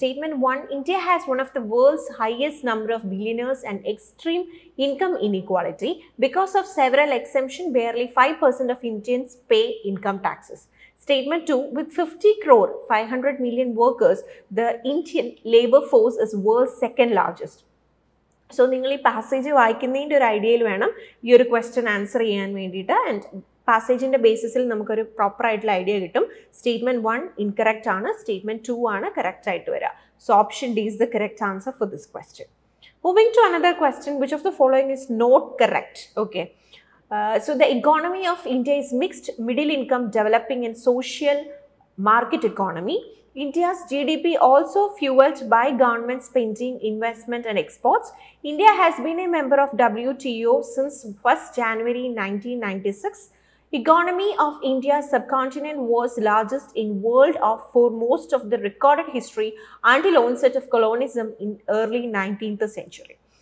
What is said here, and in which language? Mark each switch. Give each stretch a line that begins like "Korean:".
English: Statement 1, India has one of the world's highest number of billionaires and extreme income inequality. Because of several exemption, barely 5% of Indians pay income taxes. Statement 2, with 50 crore 500 million workers, the Indian labor force is world's second largest.
Malayalam: So നിങ്ങൾ ഈ passage വായിക്കുന്നതിൻ്റെ ഒരു ഐഡിയയിൽ വേണം ഈ ഒരു question answer ചെയ്യാൻ വേണ്ടിയിട്ട്. And പാസേജിൻ്റെ ബേസിസിൽ നമുക്കൊരു പ്രോപ്പറായിട്ടുള്ള ഐഡിയ കിട്ടും. സ്റ്റേറ്റ്മെൻറ്റ് 1 ഇൻകറക്റ്റ് ആണ്, സ്റ്റേറ്റ്മെൻറ്റ് 2 ആണ് കറക്റ്റ് ആയിട്ട് വരിക.
English: So option D is the correct answer for this question. Moving to another question, which of the following is not correct? Okay, so the economy of India is mixed middle income developing and social market economy. India's GDP also fueled by government spending, investment and exports. India has been a member of WTO since 1st January 1996. Economy of India's subcontinent was largest in world of for most of the recorded history until onset of colonialism in early 19th century.